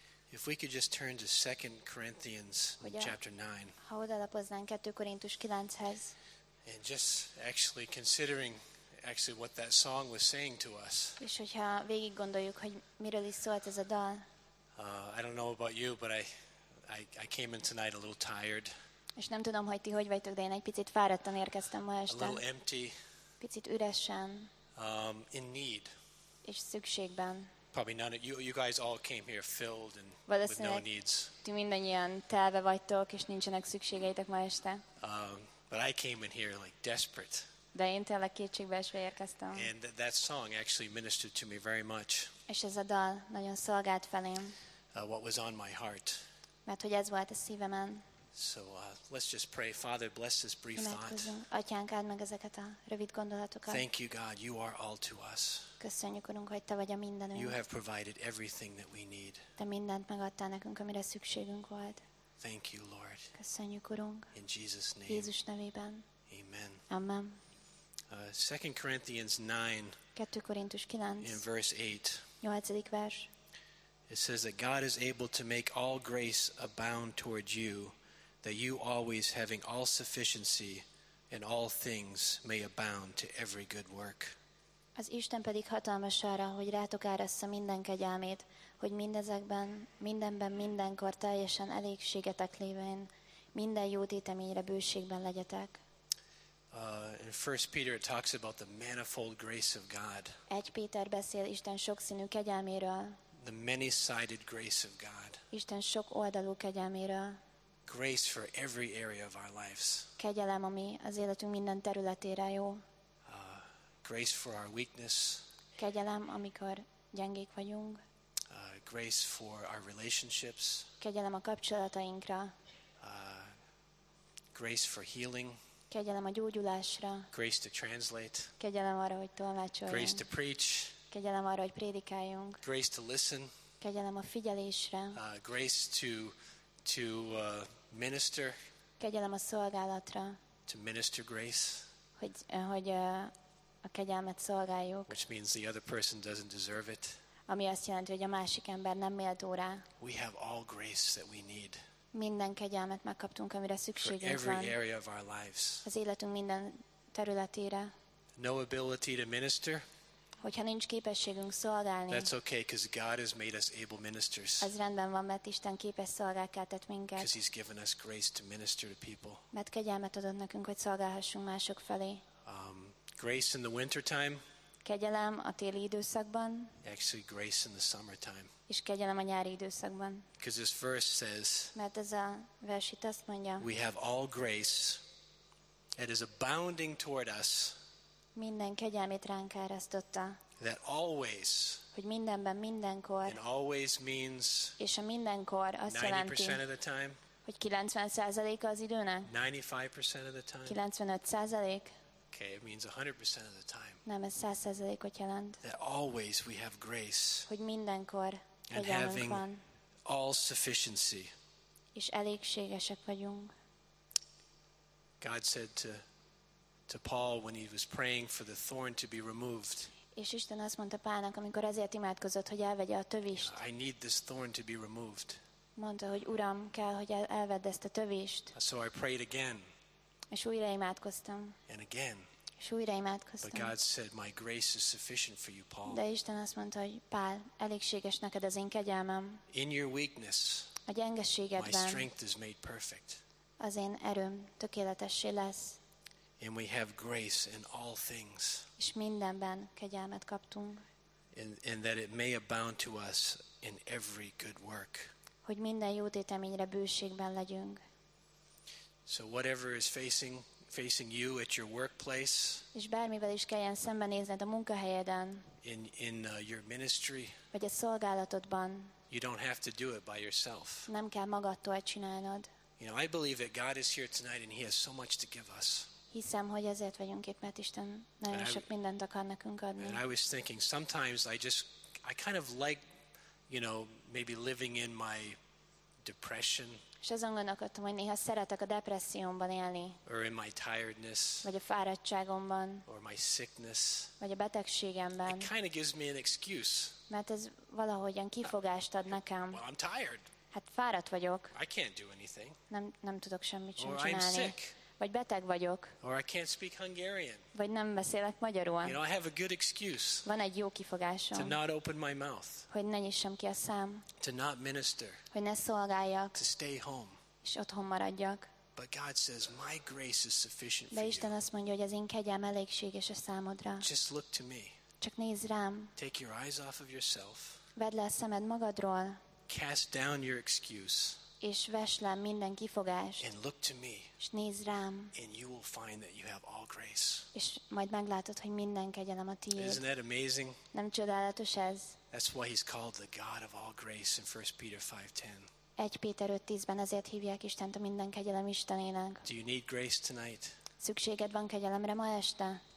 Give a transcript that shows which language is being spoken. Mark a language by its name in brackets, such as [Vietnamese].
[English] If we could just turn to 2 Corinthians chapter 9. [Hungarian] Ha odalapoznánk 2 Korintus 9-hez. [English] And just actually considering actually what that song was saying to us. [Hungarian] És hogyha végig gondoljuk, hogy miről is szólt ez a dal. [English] I don't know about you, but I came in tonight a little tired. [Hungarian] És nem tudom, hogy ti hogy vagytok, de én egy picit fáradtan érkeztem ma este. [English] A little empty. [Hungarian] Picit üresen. [English] In need. [Hungarian] És szükségben. [English] Probably none of you guys all came here filled and with no needs. [Hungarian] Ti mindannyian telve vagytok, és nincsenek szükségeitek ma este. [English] But I came in here like desperate. [Hungarian] De én tényleg kétségbeesve érkeztem. [English] And that song actually ministered to me very much. [Hungarian] És ez a dal nagyon szolgált felém. [English] What was on my heart. [Hungarian] Mert hogy ez volt a szívemen. [English] So let's just pray, Father, bless this brief thought. [Hungarian] Atyánk, áld meg ezeket a rövid gondolatokat. [English] Thank you, God, you are all to us. [Hungarian] Köszönjük, Urunk, hogy te vagy a mindenünk. [English] You have provided everything that we need. [Hungarian] Te mindent megadtál nekünk, amire szükségünk volt. [English] Thank you, Lord. [Hungarian] Köszönjük, Urunk. [English] In Jesus' name. [Hungarian] Jézus nevében. [English] Amen. [Hungarian] Amen. [English] 2 Corinthians 9. [Hungarian] 2 Korintus 9. [English] In verse 8. [Hungarian] 8. vers. [English] It says that God is able to make all grace abound toward you, that you always having all sufficiency in all things may abound to every good work. [Hungarian] Az Isten pedig hatalmas arra, hogy rátok áraszza minden kegyelmét, hogy mindezekben, mindenben, mindenkor teljesen elégségetek lévén, minden jó téteményre bőségben legyetek. [English] In 1 Peter it talks about the manifold grace of God. [Hungarian] 1 Péter beszél Isten sokszínű kegyelméről. [English] The many-sided grace of God. [Hungarian] Isten sok oldalú kegyelméről. [English] Grace for every area of our lives. [Hungarian] Kegyelem, ami az életünk minden területére jó. [English] Grace for our weakness. [Hungarian] Kegyelem, amikor gyengék vagyunk. [English] Grace for our relationships. [Hungarian] Kegyelem a kapcsolatainkra. [English] Grace for healing. [Hungarian] Kegyelem a gyógyulásra. [English] Grace to translate. [Hungarian] Kegyelem arra, hogy tolmácsoljunk. [English] Grace to preach. [Hungarian] Kegyelem arra, hogy prédikáljunk. [English] Grace to listen. [Hungarian] Kegyelem a figyelésre. [English] Grace to minister. [Hungarian] Kegyelem a szolgálatra. [English] To minister grace. [Hungarian] Hogy a kegyelmet szolgáljuk. [English] Which means the other person doesn't deserve it. [Hungarian] Ami azt jelenti, hogy a másik ember nem méltó rá. [English] We have all grace that we need. [Hungarian] Minden kegyelmet megkaptunk, amire szükségünk van. [English] For every area of our lives. [Hungarian] Az életünk minden területére. [English] No ability to minister. [Hungarian] Hogyha nincs képességünk szolgálni. [English] That's okay, because God has made us able ministers. [Hungarian] Ez rendben van, mert Isten képes szolgálká tett minket. [English] Because He's given us grace to minister to people. [Hungarian] Mert kegyelmet adott nekünk, hogy szolgálhassunk mások felé. [English] Grace in the winter time. [Hungarian] Kegyelem a téli időszakban. [English] Actually, grace in the summertime. [Hungarian] És kegyelem a nyári időszakban. [English] Because this verse says. [Hungarian] Mert ez a vers itt azt mondja. [English] We have all grace that is abounding toward us. [Hungarian] Minden kegyelmét ránk árasztotta. [English] That always. [Hungarian] Hogy mindenben, mindenkor. [English] And always means. [Hungarian] És a mindenkor azt jelenti. Hogy 90%-a az időnek. [English] 95% of the time. 95%. Okay, it means 100% of the time. [Hungarian] Nem, ez 100%-ot jelent. [English] That always we have grace. [Hungarian] Hogy mindenkor kegyelmünk van. [English] And having all sufficiency. [Hungarian] És elégségesek vagyunk. [English] God said to Paul when he was praying for the thorn to be removed. [Hungarian] És Isten azt mondta Pálnak, amikor ezért imádkozott, hogy elvegye a tövist. [English] I need this thorn to be removed. [Hungarian] Mondta, hogy Uram, kell, hogy elvedd ezt a tövist. [English] So I prayed again. [Hungarian] És újra imádkoztam. [English] And again. [Hungarian] És újra imádkoztam. [English] But God said, my grace is sufficient for you, Paul. [Hungarian] De Isten azt mondta, hogy Pál, elégséges neked az én kegyelmem. [English] In your weakness. [Hungarian] A gyengeségedben. [English] My strength is made perfect. [Hungarian] Az én erőm tökéletessé lesz. [English] And we have grace in all things. [Hungarian] És mindenben kegyelmet kaptunk. [English] And that it may abound to us in every good work. [Hungarian] Hogy minden jó téteményre bőségben legyünk. [English] So whatever is facing you at your workplace. [Hungarian] És bármivel is kelljen szembenézned a munkahelyeden. [English] In your ministry. [Hungarian] Vagy a szolgálatodban. [English] You don't have to do it by yourself. [Hungarian] Nem kell magadtól csinálnod. [English] You know, I believe that God is here tonight and He has so much to give us. [Hungarian] Hiszem, hogy ezért vagyunk itt, mert Isten nagyon sok mindent akar nekünk adni. [English] And I was thinking, sometimes I kind of like, you know, maybe living in my depression. [Hungarian] És azon gondolkodtam, hogy néha szeretek a depressziómban élni. [English] Or in my tiredness. [Hungarian] Vagy a fáradtságomban. [English] Or my sickness. [Hungarian] Vagy a betegségemben. [English] It kind of gives me an excuse. [Hungarian] Mert ez valahogyan kifogást ad nekem. [English] Well, I'm tired. [Hungarian] Hát fáradt vagyok. [English] I can't do anything. [Hungarian] Nem tudok semmit sem [English] or [Hungarian] csinálni. [English] I'm sick. [Hungarian] Vagy beteg vagyok. [English] Or I can't speak Hungarian. [Hungarian] Vagy nem beszélek magyarul. [English] You know, I have a good excuse. [Hungarian] Van egy jó kifogásom. [English] To not open my mouth. [Hungarian] Hogy ne nyissam ki a szám. [English] To not minister. [Hungarian] Hogy ne szolgáljak. [English] To stay home. [Hungarian] És otthon maradjak. [English] But God says, my grace is sufficient for you. [Hungarian] De Isten azt mondja, hogy az én kegyem elégséges a számodra. [English] Just look to me. [Hungarian] Csak nézz rám. [English] Take your eyes off of yourself. [Hungarian] Vedd le a szemed magadról. [English] Cast down your excuse. [Hungarian] És vesd le minden kifogást. [English] And look to me. [Hungarian] És nézd rám. [English] And you will find that you have all grace. [Hungarian] És majd meglátod, hogy minden kegyelem a tiéd. [English] Isn't that amazing? [Hungarian] Nem csodálatos ez? [English] That's why he's called the God of all grace in 1 Peter 5:10. [Hungarian] 1 Péter 5:10-ben ezért hívják Istent a minden kegyelem Istenének. [English] Do you need grace tonight? [Hungarian] Szükséged van kegyelemre ma este?